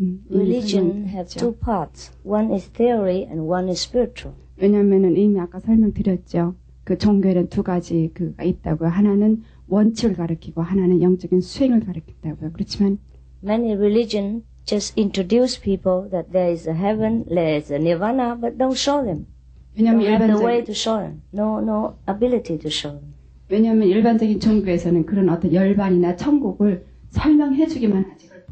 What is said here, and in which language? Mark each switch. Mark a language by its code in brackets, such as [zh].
[en] Religion have two parts. One is theory and one is spiritual. [ko] 왜냐하면은 이미 아까 설명드렸죠. 그 종교에는 두 가지 그가 있다고요. 하나는 원칙을 가르치고 하나는 영적인 수행을 가르친다고요. 그렇지만 [en] many religion just introduce people that there is a heaven, there is a nirvana, but don't show them. [ko] 왜냐하면 [en] don't have the way to show them. No ability to show them. [ko] 왜냐하면 일반적인 종교에서는 그런 어떤 열반이나 천국을 설명해 주기만 하지.